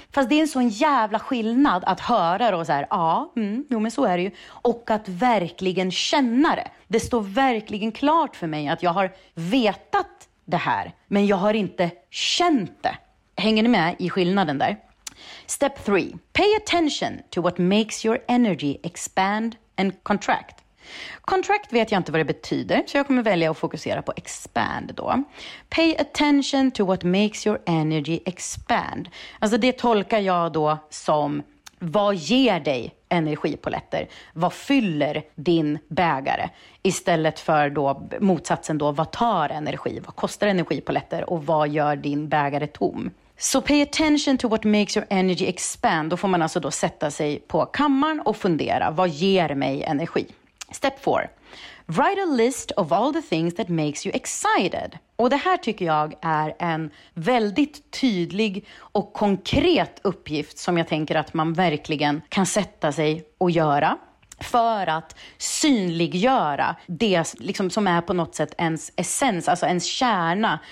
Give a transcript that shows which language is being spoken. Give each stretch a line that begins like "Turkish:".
Swedish: Fast det är en sån jävla skillnad att höra det och så här, ja, jo, men så är det ju. Och att verkligen känna det. Det står verkligen klart för mig att jag har vetat det här. Men jag har inte känt det. Hänger ni med i skillnaden där?
English: Step 3. Pay attention to what makes your energy expand and contract.
Swedish: Contract vet jag inte vad det betyder, så jag kommer välja att fokusera på expand då.
English: Pay attention to what makes your energy expand.
Swedish: Alltså det tolkar jag då som, vad ger dig energipoletter? Vad fyller din bägare? Istället för då motsatsen då, vad tar energi? Vad kostar energipoletter? Och vad gör din bägare tom?
English: So pay attention to what makes your energy expand.
Swedish: Då får man alltså då sätta sig på kammaren och fundera, vad ger mig energi?
English: Step 4. Write a list of all the things that makes you excited.
Swedish: Och det här tycker jag är en väldigt tydlig och konkret uppgift som jag tänker att man verkligen kan sätta sig och göra för att synliggöra det liksom som är på något sätt ens essens, alltså ens kärna.